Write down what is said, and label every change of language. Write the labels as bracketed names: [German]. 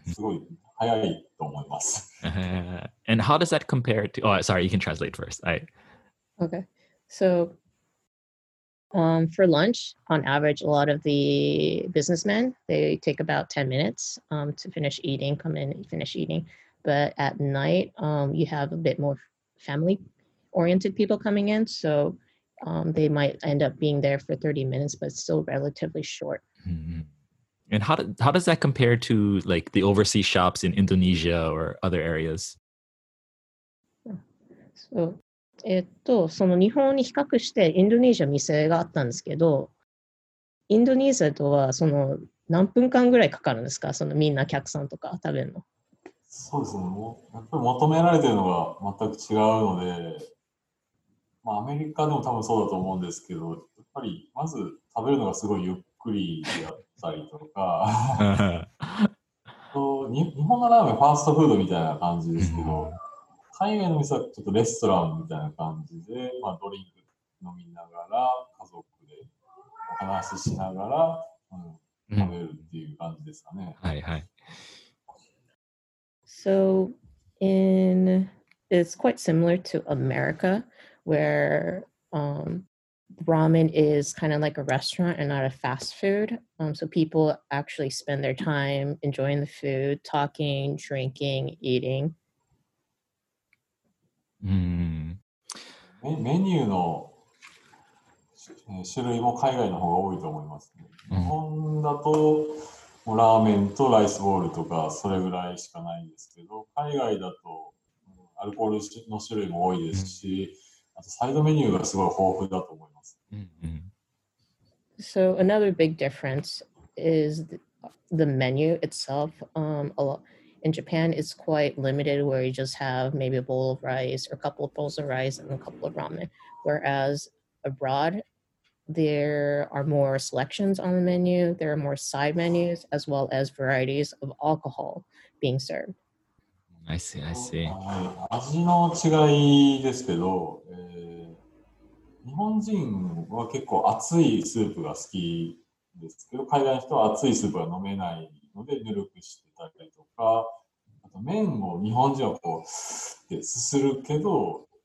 [Japanese] すごい早いと思います。 [English] And how does that compare to... Oh, sorry, you can translate first. Okay. So, for lunch, on average, a lot of the businessmen, they take about 10 minutes to finish eating, come in and finish eating. But at night, you have a bit more family-oriented people coming in. So they might end up being there for 30 minutes, but still relatively short. Mm-hmm. And how does that compare to like the overseas shops in Indonesia or other areas? [Japanese] So, その日本に比較してインドネシア店があったんですけど、インドネシアとはその何分間ぐらいかかるんですか？そのみんな客さんとか食べるの。そうですね。やっぱり求められているのが全く違うので、まあ、アメリカでも多分そうだと思うんですけど、やっぱりまず食べるのがすごいゆっくりだったりとか、日本のラーメンファーストフードみたいな感じですけど、海外の店はちょっとレストランみたいな感じで、まあ、ドリンク飲みながら、家族でお話ししながら、食べるっていう感じですかね。はいはい。 [English] So, it's quite similar to America, where ramen is kind of like a restaurant and not a fast food. So people actually spend their time enjoying the food, talking, drinking, eating. [Japanese] Menu の種類も海外の方が多いと思いますね。日本だと。ラーメンとライスボールとかそれぐらいしかないんですけど、海外だとアルコールの種類も多いですし、あとサイドメニューがすごい豊富だと思います。 [English] So another big difference is the menu itself. In Japan, it's quite limited where you just have maybe a bowl of rice or a couple of bowls of rice and a couple of ramen. Whereas abroad,There are more selections on the menu. There are more side menus as well as varieties of alcohol being served. I see, I see. [Japanese] 味の違いですけど、日本人は結構熱いスープが好きですけど、海外の人は熱いスープが飲めないのでぬるくしてたりとか、あと麺を日本人はこうってすするけど、